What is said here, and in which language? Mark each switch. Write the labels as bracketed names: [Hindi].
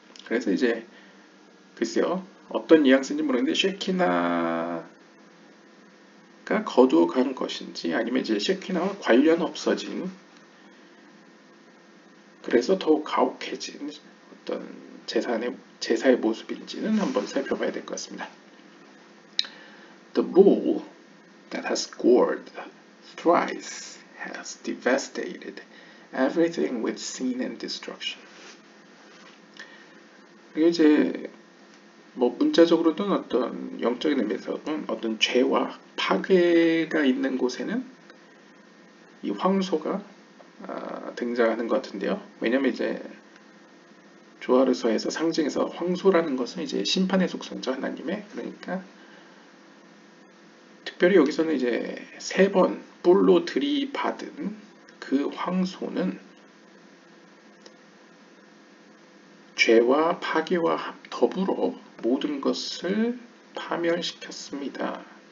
[Korean] 그래서 이제 글쎄요, 어떤 뉘앙스인지 모르겠는데 Shekinah가 거두어 간 것인지 아니면 이제 Shekinah와 관련 없어진, 그래서 더욱 가혹해진 어떤 제사의 모습인지는 한번 살펴봐야 될 것 같습니다. [English] The bull that has gored thrice has devastated everything with sin and destruction. [Korean] 이게 이제 뭐 문자적으로든 어떤 영적인 의미에서든 어떤 죄와 파괴가 있는 곳에는 이 황소가 등장하는 것 같은데요. 왜냐하면 이제 조화르서에서 상징해서 황소라는 것은 이제 심판의 속성자 하나님의, 그러니까 특별히 여기서는 이제 세 번 뿔로 들이받은 그 황소는 죄와 파괴와 더불어 모든 것을 파멸시켰습니다.